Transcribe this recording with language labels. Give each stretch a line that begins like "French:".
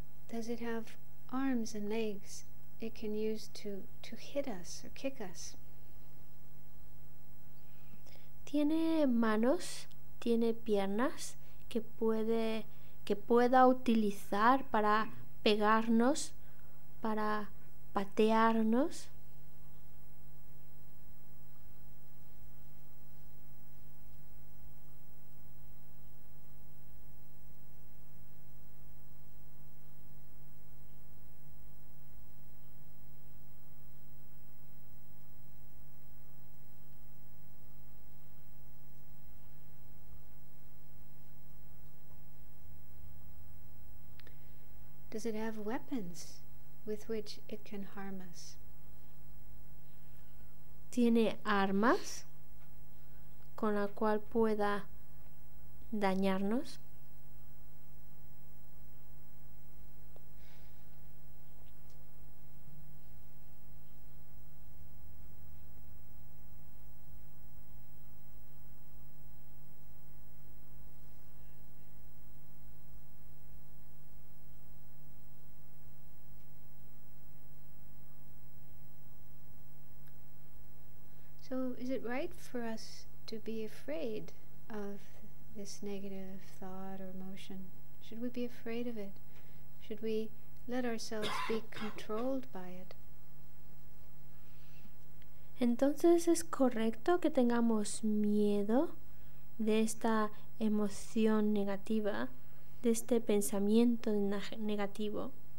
English: Does it have arms and legs it can use to hit us or kick us?
Spanish: Tiene manos, tiene piernas que pueda utilizar para pegarnos, para patearnos.
English: Does it have weapons with which it can harm us?
Spanish: ¿Tiene armas con la cual pueda dañarnos?
English: So is it right for us to be afraid of this negative thought or emotion? Should we be afraid of it? Should we let ourselves be controlled by it?
Spanish: Entonces, ¿es correcto que tengamos miedo de esta emoción negativa, de este pensamiento negativo?